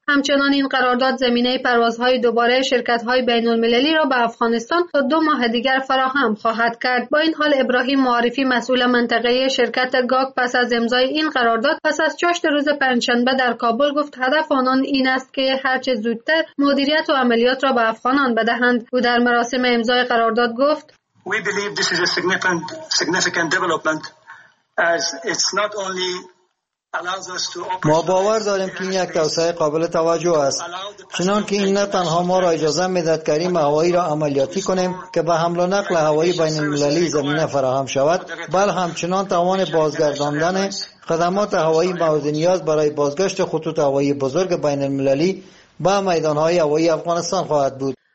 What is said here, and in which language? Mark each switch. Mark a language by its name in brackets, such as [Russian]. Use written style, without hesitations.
[Persian] همچنان این قرارداد زمینه پروازهای دوباره شرکت‌های بین المللی را به افغانستان تا 2 ماه دیگر فراهم خواهد کرد. با این حال ابراهیم معارفی مسئول منطقه شرکت گاک پس از امضای این قرارداد پس از چاشت روز پنجشنبه در کابل گفت هدف آنان این است که هرچه زودتر مدیریت و عملیات را به افغانان بدهند. او در مراسم امضای قرارداد گفت: [English] We believe this is a significant development as it's not only [Persian] ما باور داریم که این یک توسعه قابل توجه است، چنان که این نه تنها ما را اجازه میدهد که ریم هوایی را عملیاتی کنیم که به حمل و نقل هوایی بین المللی زمینه فراهم شود، بل همچنان توان بازگرداندن خدمات هوایی مورد نیاز برای بازگشت خطوط هوایی بزرگ بین المللی به میدانهای هوایی افغانستان خواهد بود.